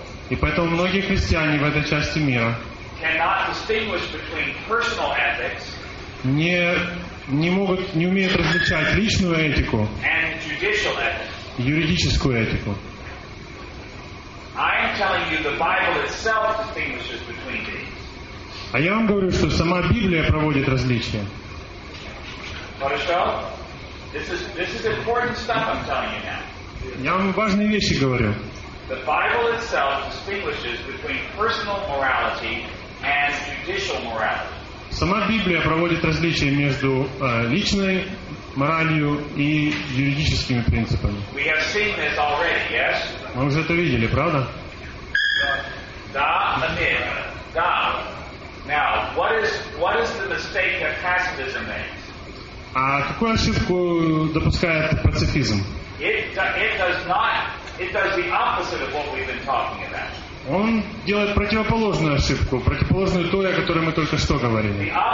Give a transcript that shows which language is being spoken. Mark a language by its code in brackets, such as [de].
[ru] И поэтому многие христиане в этой части мира [en] cannot distinguish between personal ethics [ru] не умеют различать личную этику [en] and judicial ethics. [ru] Юридическую этику. [en] I am telling you the Bible itself distinguishes between these. [ru] А я вам говорю, что сама Библия проводит различия. Хорошо? [en] This is important stuff I'm telling you now. [ru] Я вам важные вещи говорю. [en] The Bible itself distinguishes between personal morality and judicial morality. [ru] Сама Библия проводит различия между личной моралью и юридическими принципами. [en] We have seen this already, yes? [ru] Мы уже это видели, правда? Да, amen. Да. [en] Now, what is the mistake that pacifism makes? [ru] А какую ошибку допускает пацифизм? [en] It does the opposite of what we've been talking about. [ru] Он делает противоположную ошибку, противоположную той, о которой мы только что говорили.